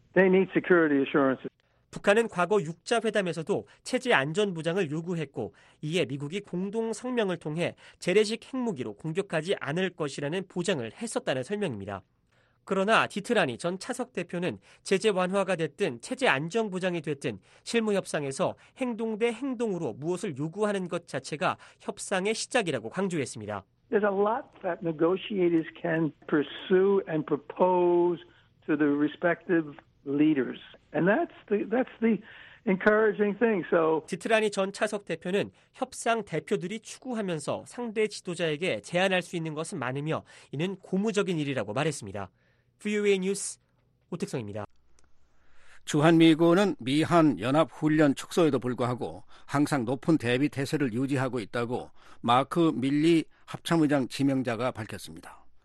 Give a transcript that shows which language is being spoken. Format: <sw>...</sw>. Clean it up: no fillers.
<en>They need security assurances.</en> <ko>북한은 과거 육자회담에서도 체제 안전 보장을 요구했고 이에 미국이 공동 성명을 통해 재래식 핵무기로 공격하지 않을 것이라는 보장을 했었다는 설명입니다. 그러나 디트라니 전 차석 대표는 제재 완화가 됐든 체제 안정 보장이 됐든 실무 협상에서 행동 대 행동으로 무엇을 요구하는 것 자체가 협상의 시작이라고 강조했습니다.</ko> <en>There's a lot that negotiators can pursue and propose to the respective leaders. And that's the encouraging thing. So</en> <ko>디트라니 전 차석 대표는 협상 대표들이 추구하면서 상대 지도자에게 제안할 수 있는 것은 많으며 이는 고무적인 일이라고 말했습니다. VOA 뉴스 오택성입니다. 주한미군은 미한 연합훈련 축소에도 불구하고 항상 높은 대비 태세를 유지하고 있다고 마크 밀리 합참의장 지명자가 밝혔습니다.</ko>